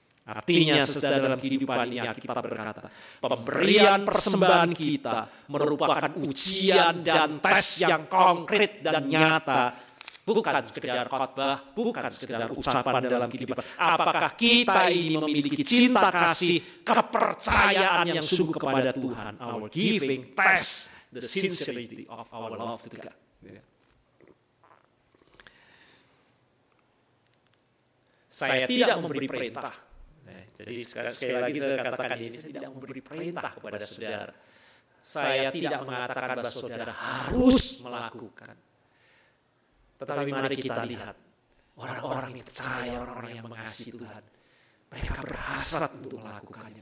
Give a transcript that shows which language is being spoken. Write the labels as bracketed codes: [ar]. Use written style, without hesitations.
[id] Artinya sesudah dalam kehidupan ini kita berkata, pemberian persembahan kita merupakan ujian dan tes yang konkret dan nyata. Bukan sekedar khotbah, bukan sekedar ucapan dalam kehidupan. Apakah kita ini memiliki cinta kasih, kepercayaan yang sungguh kepada Tuhan? [en] Our giving test the sincerity of our love to God. [id] Saya tidak memberi perintah. Jadi sekali lagi saya katakan ini, saya tidak memberi perintah kepada saudara. Saya tidak mengatakan bahwa saudara harus melakukan. Tetapi mari kita lihat orang-orang yang percaya, orang-orang yang mengasihi Tuhan, mereka berhasrat untuk melakukannya.